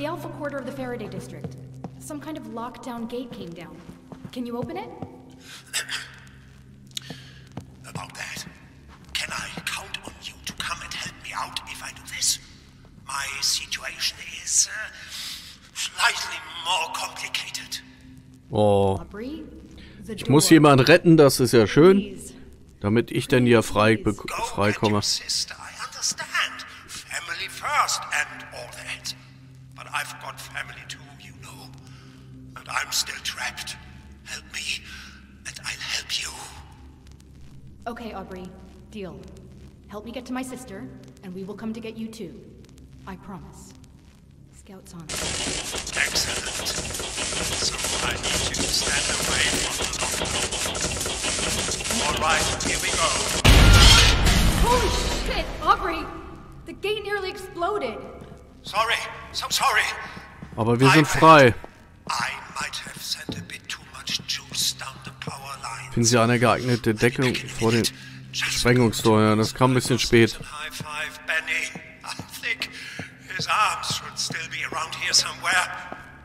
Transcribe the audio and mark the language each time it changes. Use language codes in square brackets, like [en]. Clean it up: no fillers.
[en] The Alpha Quarter of the Faraday District. Some kind of lockdown gate came down. Can you open it? About that. Can I count on you to come and help me out if I do this? My situation is slightly more complicated. Oh. Aubrey? [de] Ich muss jemanden retten, das ist ja schön. Damit ich denn hier freikomme. [en] Family first and all that. But I've got family too, you know. And I'm still trapped. Help me, and I'll help you. Okay, Aubrey. Deal. Help me get to my sister, and we will come to get you too. I promise. Scout's on. Excellent. So I need you to stand away from the lock. Alright, here we go. Holy shit, Aubrey! The gate nearly exploded! Sorry, so sorry! [de] Aber wir sind frei. [en] I might have sent a bit too much juice down the power line. [de] Finden Sie eine geeignete Deckung vor den Sprengungstoren? Das kam ein bisschen spät. [en] High five, Benny. I think his arms should still be around here somewhere.